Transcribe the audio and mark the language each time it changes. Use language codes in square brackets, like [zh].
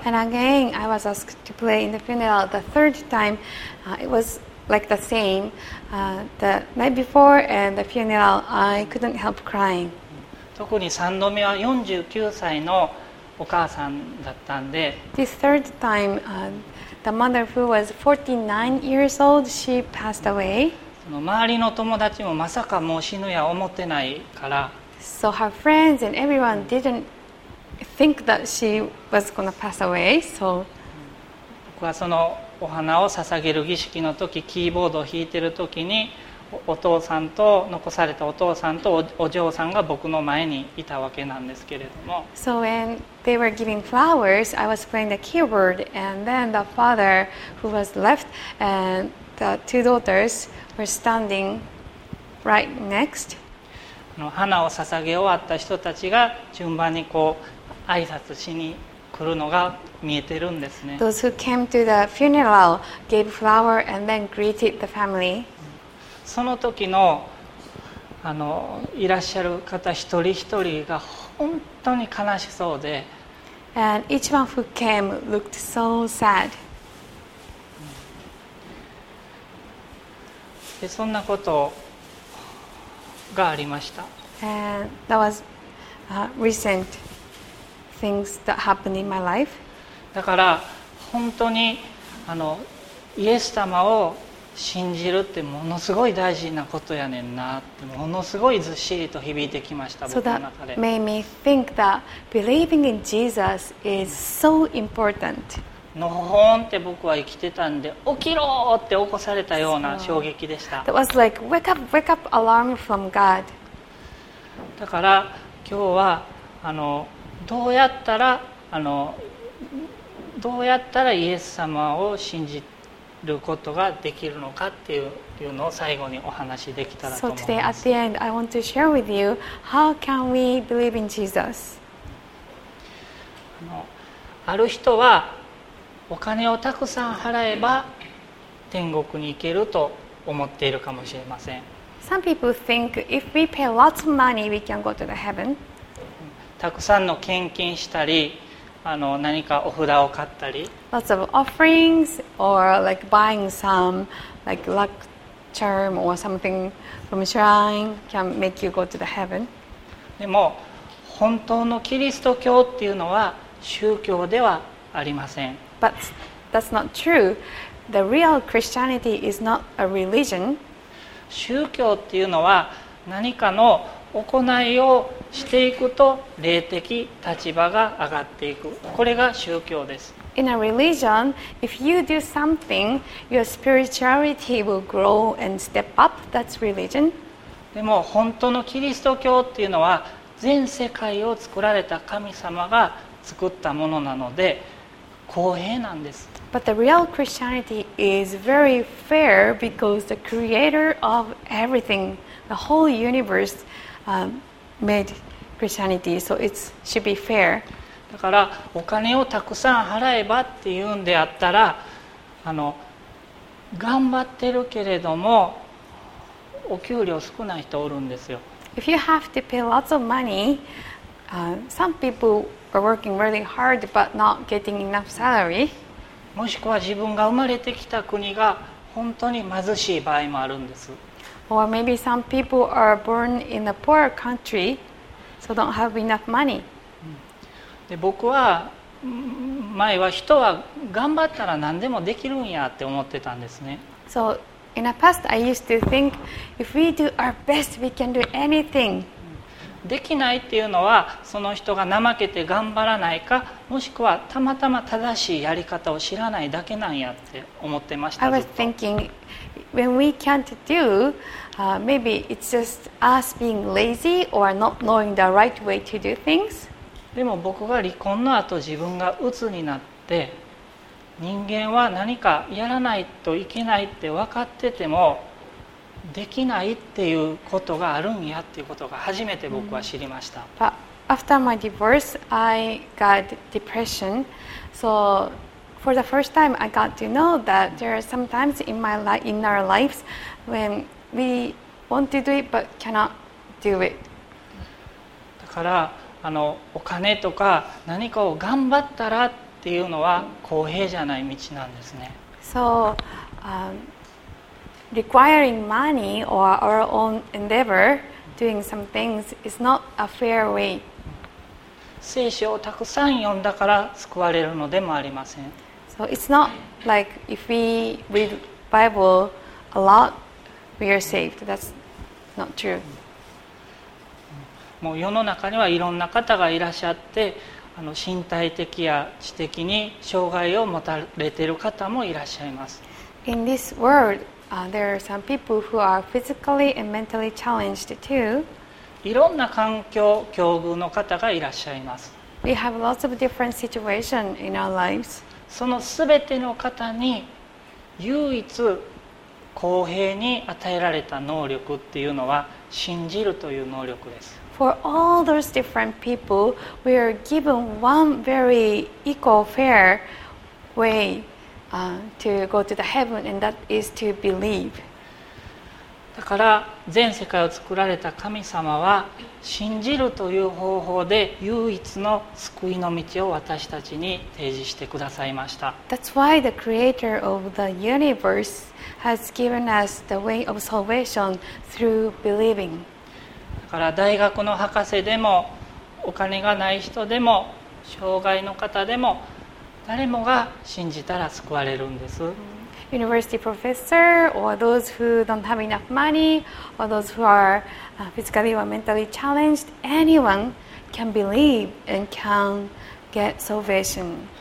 [en] And again, I was asked to play in the funeral the third time. It was like the same, the night before and the funeral, I couldn't help crying. [ja] 特に3度目は49歳のお母さんだったんで。 [en] This third time, the mother who was 49 years old, she passed away. [ja] その周りの友達もまさかもう死ぬや思ってないから。 [en] So her friends and everyone didn't think that she was going to pass away. So [ja] 僕はそのお花を捧げる儀式の時、キーボードを弾いてる時に、お父さんと残されたお父さんとお嬢さんが僕の前にいたわけなんですけれども。 [en] So when they were giving flowers, I was playing the keyboard, and then the father who was left and the two daughters were standing right next. [ja] 花を捧げ終わった人たちが順番にこう挨拶しに来るのが見えてるんですね。 [en] Those who came to the funeral gave flower and then greeted the family. [ja] その時 の, あのいらっしゃる方一人一人が本当に悲しそうで、 [en] And each one who came looked so sad. [ja] でそんなことがありました。 [en] And that was recent things that happened in my life. [ja] だから本当にあのイエス様を信じるってものすごい大事なことやねんなってものすごいずっしりと響いてきました僕の中で。 [en] So that made me think that believing in Jesus is so important. [ja] のほーんって僕は生きてたんで起きろって起こされたような衝撃でした。 [en] That was like wake up, wake up alarm from God. [ja] だから今日はどうやったらどうやったらイエス様を信じてることができるのかっていうのを最後にお話しできたらと思います。 [en] So today at the end I want to share with you how can we believe in Jesus? [ja] ある人はお金をたくさん払えば天国に行けると思っているかもしれません。 [en] Some people think if we pay lots of money we can go to the heaven. [ja] たくさんの献金したり何かお札を買ったり、 [en] lots of offerings or like buying some like luck charm or something from a shrine can make you go to the heaven. [ja] でも本当のキリスト教っていうのは宗教ではありません。 [en] But that's not true. The real Christianity is not a religion. [ja] 宗教っていうのは何かの行いをしていくと霊的立場が上がっていく。これが宗教です。 [en] In a religion, if you do something, your spirituality will grow and step up. That's religion. [ja] でも本当のキリスト教っていうのは全世界を作られた神様が作ったものなので公平なんです。 [en] But the real Christianity is very fair because the creator of everything, the whole universe, made Christianity, so it should be fair. [ja] だからお金をたくさん払えばっていうんであったら頑張ってるけれどもお給料少ない人おるんですよ。 [en] If you have to pay lots of money, some people are working really hard but not getting enough salary. [ja] もしくは自分が生まれてきた国が本当に貧しい場合もあるんです。 [en] Or maybe some people are born in a poor country, so don't have enough money. [ja] で、僕は前は人は頑張ったら何でもできるんやって思ってたんですね。 [en] So in the past, I used to think if we do our best, we can do anything. [ja] できないっていうのはその人が怠けて頑張らないか、もしくはたまたま正しいやり方を知らないだけなんやって思ってました。 [en] I was thinking. When we can't do, maybe it's just us being lazy or not knowing the right way to do things. [ja] でも僕が離婚の後自分が鬱になって、人間は何かやらないといけないって分かっててもできないっていうことがあるんやっていうことが初めて僕は知りました。 [en] But after my divorce, I got depression. So. For the first time, I got to know that there are sometimes in my life, in our lives, when we want to do it but cannot do it. [ja] だからお金とか何かを頑張ったらっていうのは公平じゃない道なんですね。 [en] So, requiring money or our own endeavor doing some things is not a fair way. [ja] 聖書をたくさん読んだから救われるのでもありません。 [en] So it's not like if we read Bible a lot, we are saved. That's not true. [ja] もう世の中にはいろんな方がいらっしゃって、身体的や知的に障害を持たれている方もいらっしゃいます。 [en] In this world, there are some people who are physically and mentally challenged too. [ja] いろんな環境、境遇の方がいらっしゃいます。 [en] We have lots of different situations in our lives. [ja] そのすべての方に唯一公平に与えられた能力っていうのは信じるという能力です。 [en] For all those different people, we are given one very equal fair way, to go to the heaven, and that is to believe. [ja] だから全世界を作られた神様は信じるという方法で唯一の救いの道を私たちに提示してくださいました。 [en] That's why the creator of the universe has given us the way of salvation through believing. [ja] だから大学の博士でもお金がない人でも障害の方でも誰もが信じたら救われるんです。 [en] University professor, or those who don't have enough money, or those who are physically or mentally challenged, anyone can believe and can get salvation.